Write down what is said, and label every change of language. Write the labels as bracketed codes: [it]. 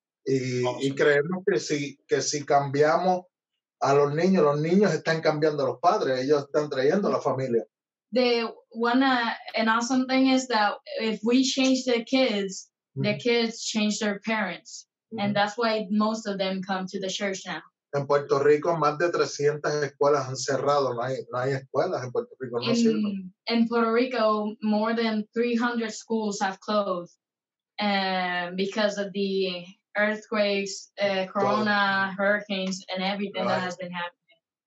[es] Y creemos que si cambiamos a los niños están cambiando a los padres, ellos están trayendo a la familia. [en] An awesome thing is that if we change the kids, mm-hmm. the kids change their parents. Mm-hmm. And that's why most of them come to the church now. [es] En Puerto Rico, más de 300 escuelas han cerrado. No hay escuelas en Puerto Rico. No sirven. [en] In Puerto Rico, more than 300 schools have closed because of the earthquakes, corona, hurricanes, and everything that has been happening.